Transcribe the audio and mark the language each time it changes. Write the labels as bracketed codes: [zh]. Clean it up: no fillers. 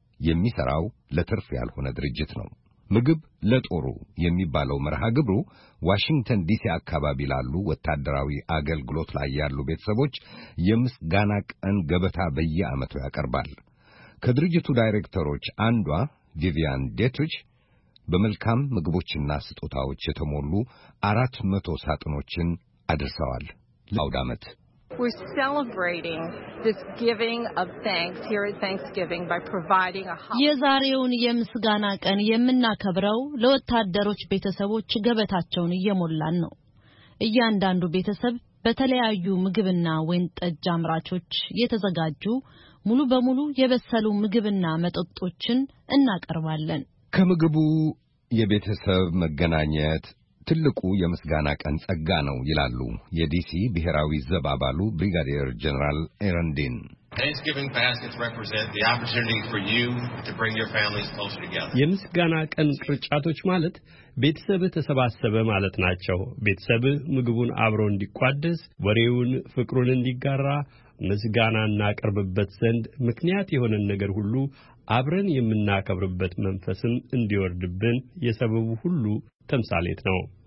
[am] የሚሰራው ለትርፍ ያልሆነ ድርጅት ነው። ምግብ ለጦሩ የሚባለው መርሃ ግብሩ ዋሽንግተን ዲሲ አካባቢ ላሉ ወታደራዊ አገልግሎት ላይ ያሉ ቤተሰቦች የምስጋና ቀን ገበታ በየዓመቱ ያቀርባል። ከድርጅቱ ዳይሬክተሮች አንዷ ቪቪያን ዴትሪች በመልካም ምግቦችና ስጦታዎች የተሞሉ 400 ሳጥኖችን አድርሰዋል ለአውደ ዓመት። [en] We're celebrating this giving of thanks here at Thanksgiving by providing a hot [am] የዛሬውን የምስጋና ቀን የምናከብረው ለወታደሮች ቤተሰቦች ገበታቸውን እየሞላን ነው። እያንዳንዱ ቤተሰብ በተለያዩ ምግብና ወይን ጠጅ አምራቾች የተዘጋጁ ሙሉ በሙሉ የበሰሉ ምግብና መጠጦችን እናቀርባለን። ከምግቡ የቤተሰብ መገናኘት ትልቁ የምስጋና ቀን ጸጋ ነው ይላሉ የዲሲ ብሔራዊ ዘብ አባሉ ብሪጋዴር ጀነራል ኤረንዲን። [en] Thanksgiving baskets represent the opportunity for you to bring your families closer together. [am] የምስጋና ቀን ቅርጫቶች ማለት ቤተሰብ ተሰባሰበ ማለት ናቸው። ቤተሰብ ምግቡን አብሮ እንዲቋደስ ወሬውን ፍቅሩን እንዲጋራ ምስጋናና ቅርብበት ዘንድ ምክንያት የሆነን ነገር ሁሉ አብረን የምናከብርበት መንፈስም እንዲወርድብን የሰበቡ ሁሉ ተምሳሌት ነው።